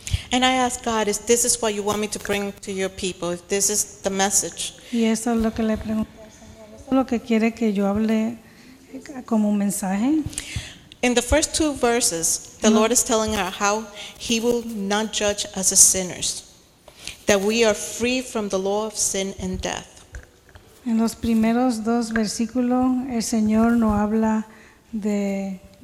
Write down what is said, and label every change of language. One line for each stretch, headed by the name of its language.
English: And I asked God, if this is what you want me to bring to your people, if this is the message.
Spanish: Y eso es lo que le pregunté al Señor. ¿Eso es lo que quiere que yo hable como un mensaje?
English: In the first two verses, the Lord is telling us how He will not judge us as sinners, that we are free from the law of sin and death.
Spanish: En los primeros dos versículos, el Señor no habla de